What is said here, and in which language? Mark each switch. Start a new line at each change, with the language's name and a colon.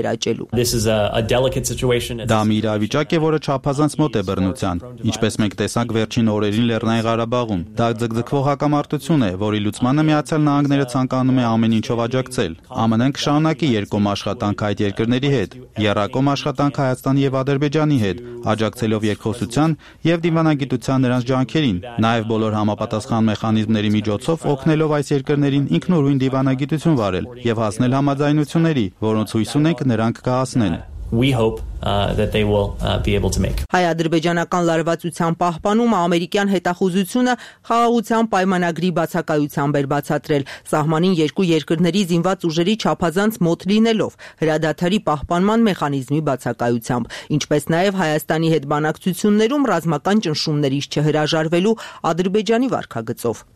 Armenian: վերաճելու։ Դա մի իրավիճակ է, որը չափազանց մոտ է բռնության, ինչպես մենք տեսանք վերջին օրերին Լեռնային Ղարաբաղում։ Դա ձգձգվող հակամարտություն է, որի լուծմանը Միացյալ Նահանգները ցանկանում է ամեն ինչով աջակցել։ ԱՄՆ-ն կշարունակի երկկողմ աշխատանք այդ երկրների հետ, երկկողմ աշխատանք Հայաստանի եւ Ադրբեջանի հետ, աջակցելով երկխոսության եւ դիվանագիտության նրանց ջանքերին, նաեւ բոլոր համապատասխան մեխանիզմների միջոցով օգնելով այս երկրներին ինքնուրույն դիվանագիտություն վարել եւ հասնել համաձայնությունների, որոնց հույս ունենք նրանք կհասնեն։
English: We hope that they will be able to make.
Armenian: Հայ-ադրբեջանական լարվածության պահպանումը ամերիկյան հետախուզությունը խաղաղության պայմանագրի բացակայությամբ էր բացատրել, սահմանին երկու երկրների զինված ուժերի չափազանց մոտ լինելով, հրադադարի պահպանման մեխանիզմի բացակայությամբ, ինչպես նաև Հայաստանի հետ բանակցություններում ռազմական ճնշումներից չհրաժարվելու Ադրբեջանի վարքագծով։